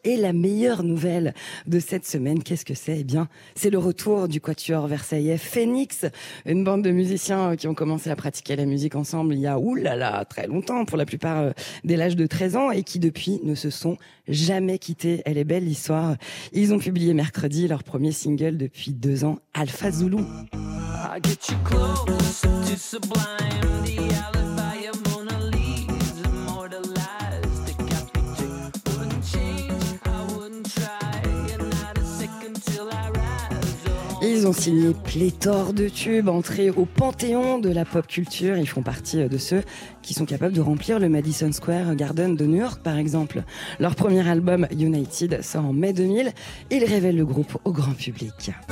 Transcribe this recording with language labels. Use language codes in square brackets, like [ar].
[fr] Et la meilleure nouvelle de cette semaine, qu'est-ce que c'est? Eh bien, c'est le retour du quatuor versaillais Phénix, une bande de musiciens qui ont commencé à pratiquer la musique ensemble il y a, oulala, très longtemps, pour la plupart dès l'âge de 13 ans et qui depuis ne se sont jamais quittés. Elle est belle l'histoire. Ils ont publié mercredi leur premier single depuis 2 ans, Alpha Zulu. [en] I get you close to sublime, the alibi of Mona Lisa immortalized. The cat picture wouldn't change, I wouldn't try, and not a second till I rise. [fr] Ils ont signé pléthore de tubes, entrés au panthéon de la pop culture. Ils font partie de ceux qui sont capables de remplir le Madison Square Garden de New York, par exemple. Leur premier album, United, sort en mai 2000. Ils révèlent le groupe au grand public.